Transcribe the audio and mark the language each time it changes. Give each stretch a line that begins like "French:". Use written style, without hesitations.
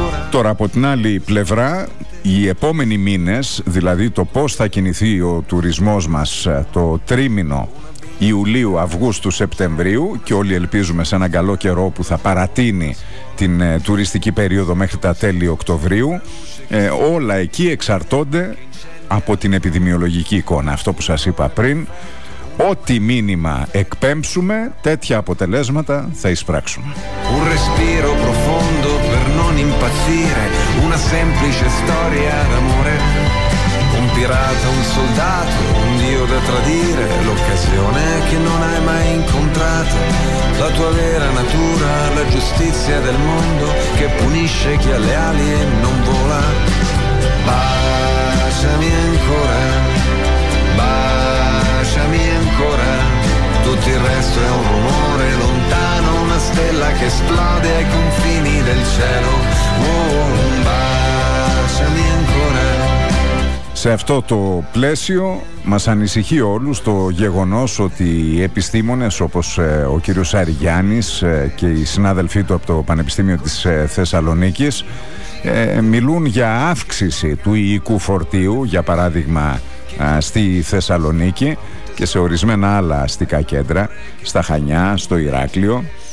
Greek: Τώρα, από την άλλη πλευρά, οι επόμενοι μήνες, δηλαδή το πώς θα κινηθεί ο τουρισμός μας το τρίμηνο Ιουλίου, Αυγούστου, Σεπτεμβρίου, και όλοι ελπίζουμε σε έναν καλό καιρό που θα παρατείνει την τουριστική περίοδο μέχρι τα τέλη Οκτωβρίου, όλα εκεί εξαρτώνται από την επιδημιολογική εικόνα, αυτό που σας είπα πριν. Ό,τι μήνυμα εκπέμψουμε, τέτοια αποτελέσματα θα εισπράξουμε.
Italian: Un respiro profondo per non impazzire, una semplice storia d'amore. Un pirata, un soldato, un dio da tradire, l'occasione che non hai mai incontrato. La tua vera natura, la giustizia del mondo che punisce chi ha le ali e non vola. Baciami ancora, baciami. tutto il resto è un rumore lontano, una stella che esplode ai confini del cielo. Oh, baciami ancora.
Greek: Σε αυτό το πλαίσιο μας ανησυχεί όλους το γεγονός ότι οι επιστήμονες όπως ο κύριος Αριγιάννης και οι συνάδελφοί του από το Πανεπιστήμιο της Θεσσαλονίκης μιλούν για αύξηση του υλικού φορτίου, για παράδειγμα στη Θεσσαλονίκη και σε ορισμένα άλλα αστικά κέντρα, στα Χανιά, στο Ηράκλειο.